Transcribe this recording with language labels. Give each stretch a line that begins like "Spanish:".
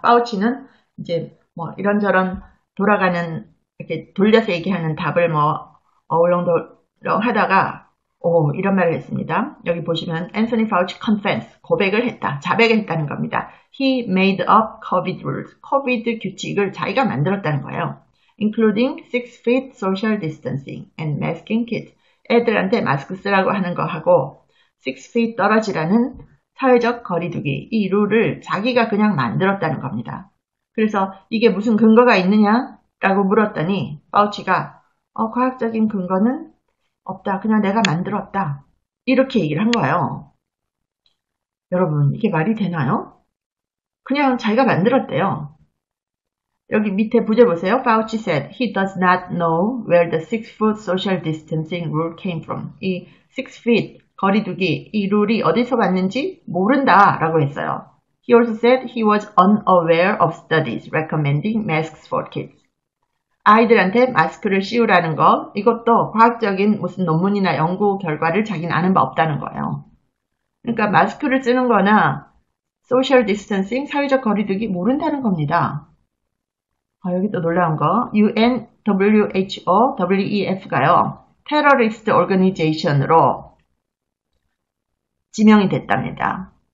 Korean: 파우치는 이제 뭐 이런저런 돌아가는 이렇게 돌려서 얘기하는 답을 뭐 어울렁도 하다가 이런 말을 했습니다. 여기 보시면 앤서니 파우치 컨펜스 고백을 했다. 자백했다는 겁니다.
English: He made up COVID rules.
Korean: COVID 규칙을 자기가 만들었다는 거예요.
English: Including 6 feet social distancing and masking kids.
Korean: 애들한테 마스크 쓰라고 하는 거 하고 6 feet 떨어지라는 사회적 거리두기. 이 룰을 자기가 그냥 만들었다는 겁니다. 그래서 이게 무슨 근거가 있느냐? 라고 물었더니 파우치가 과학적인 근거는 없다. 그냥 내가 만들었다. 이렇게 얘기를 한 거예요. 여러분, 이게 말이 되나요? 그냥 자기가 만들었대요. 여기 밑에 부제 보세요.
English: Fauci said he does not know where the 6-foot social distancing rule came from.
Korean: 이 6feet 거리두기, 이 룰이 어디서 왔는지 모른다라고 했어요.
English: He also said he was unaware of studies recommending masks for kids.
Korean: 아이들한테 마스크를 씌우라는 것, 이것도 과학적인 무슨 논문이나 연구 결과를 자기는 아는 바 없다는 거예요. 그러니까 마스크를 쓰는 거나 소셜 디스턴싱, 사회적 거리두기 모른다는 겁니다. 여기 또 놀라운 거, UN, WHO, WEF가요, 테러리스트 오르가니제이션으로 지명이 됐답니다.